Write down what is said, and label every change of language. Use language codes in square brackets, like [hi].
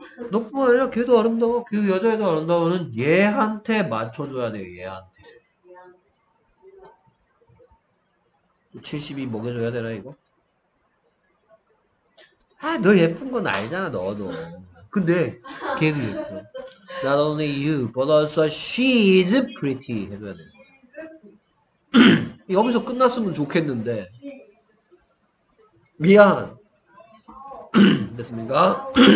[ko] 너뿐만 아니라 걔도 아름다워. 그 여자애도 아름다워는 얘한테 맞춰줘야 돼요. 얘한테. 70이 먹여줘야 되나 이거? 아 너 예쁜 건 알잖아 너도. 근데 걔는 예뻐. [en] Not only you but also she is pretty [ko] 해줘야 돼. 여기서 끝났으면 좋겠는데 미안. 됐습니까?